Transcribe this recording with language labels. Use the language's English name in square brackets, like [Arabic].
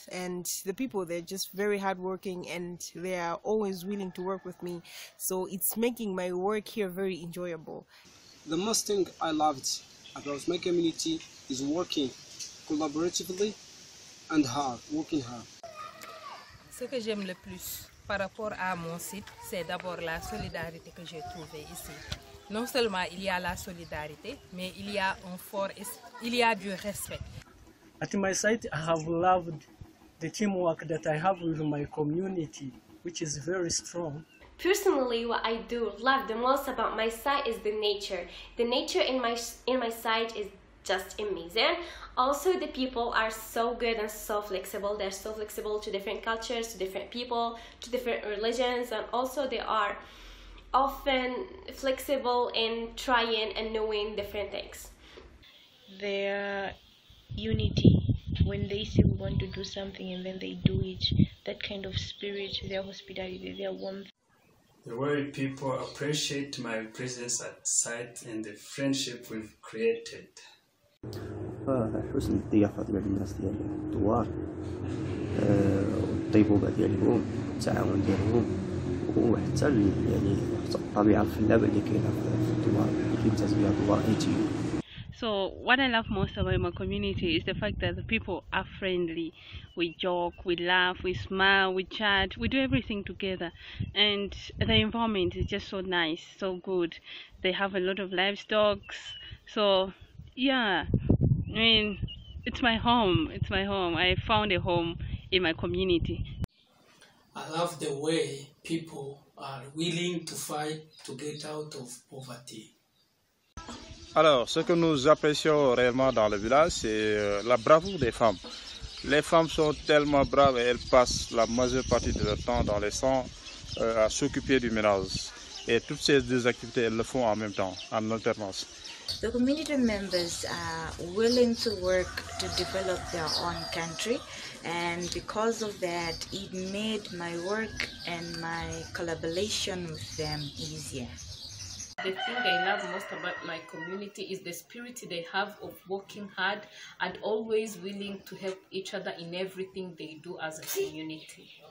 [English] And the people, they're just very hardworking and they are always willing to work with me. So it's making my work here very enjoyable. The most thing I loved about my community is working collaboratively and hard. [French] Ce que j'aime le plus par rapport à mon site, c'est d'abord la solidarité que j'ai trouvée ici. Non seulement il y a la solidarité, mais il y a un fort, il y a du respect. [English] At my site, I have loved the teamwork that I have with my community, which is very strong. Personally, what I do love the most about my site is the nature. The nature in my site is just amazing. Also, the people are so good and so flexible. They're so flexible to different cultures, to different people, to different religions, and also they are often flexible in trying and knowing different things. Their unity, when they say we want to do something and then they do it, that kind of spirit, their hospitality, their warmth. The way people appreciate my presence at site and the friendship we've created. [Arabic] فحسن الضيافه ديال الناس ديال الدوار والطيبوبه ديالهم والتعاون ديالهم وحتى يعني حتى الطبيعه الخلابه اللي كاينه في الدوار اللي كيمتاز بها الدوار ايتي. [English] So what I love most about my community is the fact that the people are friendly. We joke, we laugh, we smile, we chat, we do everything together. And the environment is just so nice, so good. They have a lot of livestock. So yeah, I mean, it's my home, it's my home. I found a home in my community. I love the way people are willing to fight to get out of poverty. [French] Alors, ce que nous apprécions réellement dans le village, c'est la bravoure des femmes. Les femmes sont tellement braves et elles passent la majeure partie de leur temps dans les champs à s'occuper du ménage. Et toutes ces deux activités, elles le font en même temps, en alternance. [English] The community members are willing to work to develop their own country, and because of that, it made my work and my collaboration with them easier. The thing I love most about my community is the spirit they have of working hard and always willing to help each other in everything they do as a community.